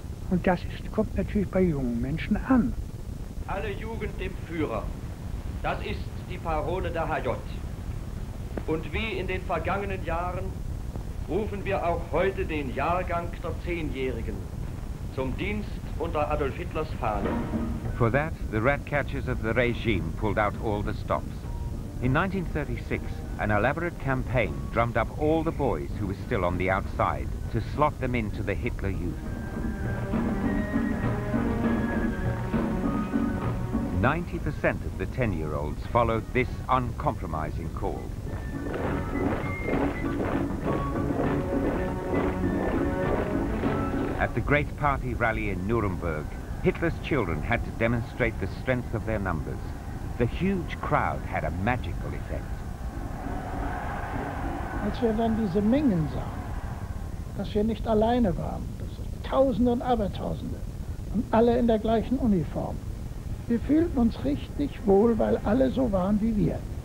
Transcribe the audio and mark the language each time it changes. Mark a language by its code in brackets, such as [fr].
[de] Und das kommt natürlich bei jungen Menschen an. Alle Jugend dem Führer. Das ist die Parole der HJ. Und wie in den vergangenen Jahren, rufen wir auch heute den Jahrgang der Zehnjährigen zum Dienst unter Adolf Hitlers Fahne. [en] For that, the ratcatchers of the regime pulled out all the stops. In 1936, an elaborate campaign drummed up all the boys who were still on the outside to slot them into the Hitler Youth. 90% of the 10-year-olds followed this uncompromising call. the great party rally in Nuremberg, Hitler's children had to demonstrate the strength of their numbers. The huge crowd had a magical effect. [de] Als wir dann diese Mengen sahen, dass wir nicht alleine waren, dass Tausende und Abertausende und alle in der gleichen Uniform, wir fühlten uns richtig wohl, weil alle so waren wie wir.